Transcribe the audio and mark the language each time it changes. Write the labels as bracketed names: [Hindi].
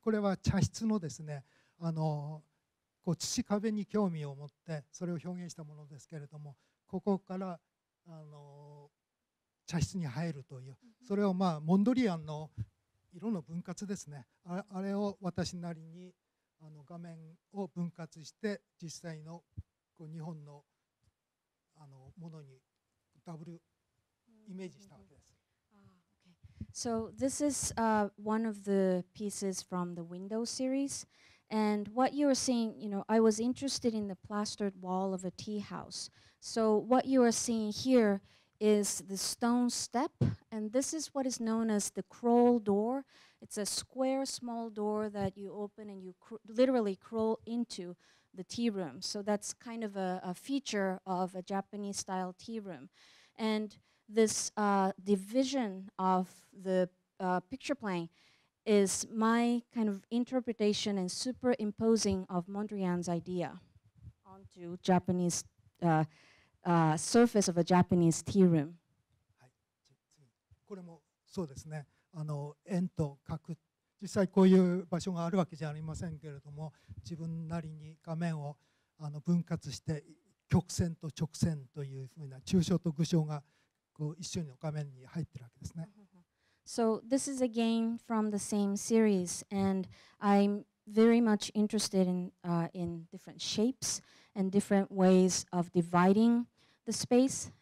[Japanese] これは茶室のですね、こう土壁に興味を持ってそれを表現したものですけれども、ここから茶室に入るという、それをモンドリアンの色の分割ですね、あれを私なりに画面を分割して実際の日本のものにダブルイメージしたわけです。 [English] So this is one of the pieces from the window series. And what you are seeing, you know, I was interested in the plastered wall of a tea house. So what you are seeing here is the stone step, and this is what is known as the crawl door. It's a square, small door that you open and you literally crawl into the tea room. So that's kind of a feature of a Japanese-style tea room. And this division of the picture plane is my kind of interpretation and superimposing of Mondrian's idea onto Japanese surface of a Japanese tea room. [Japanese] はい、これもそうですね。円と角、実際こういう場所があるわけじゃありませんけれども、自分なりに画面を分割して曲線と直線というふうな抽象と具象がこう一緒の画面に入ってるわけですね。 [English] So this is again from the same series, and I'm very much interested in different shapes and different ways of dividing the space.